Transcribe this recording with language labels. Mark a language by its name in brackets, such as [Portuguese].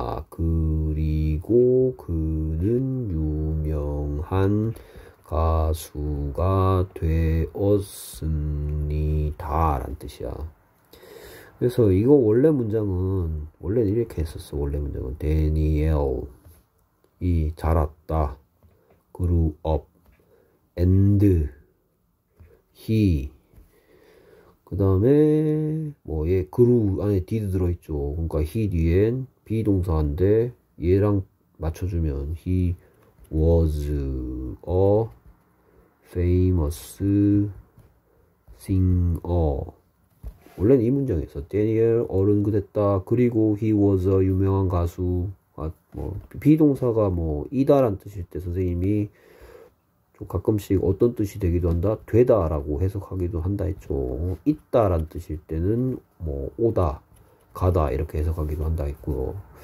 [Korean] 그리고 그는 유명한 가수가 되었습니다 라는 뜻이야. 그래서 이거 원래 문장은 원래 이렇게 했었어. 원래 문장은 Daniel이 자랐다 [English] grew up and he [Korean] 그 다음에 뭐얘 그루 안에 did 들어있죠. 그러니까 he 뒤엔 be 동사인데 얘랑 맞춰주면 [English] he was a famous singer. [Korean] 원래는 이 문장에서 Daniel 어른 그랬다. 그리고 he was a 유명한 가수. 아, 뭐 be 동사가 뭐 이다란 뜻일 때 선생님이 가끔씩 어떤 뜻이 되기도 한다, 되다라고 해석하기도 한다 했죠. 있다란 뜻일 때는 뭐 오다, 가다 이렇게 해석하기도 한다 했고요.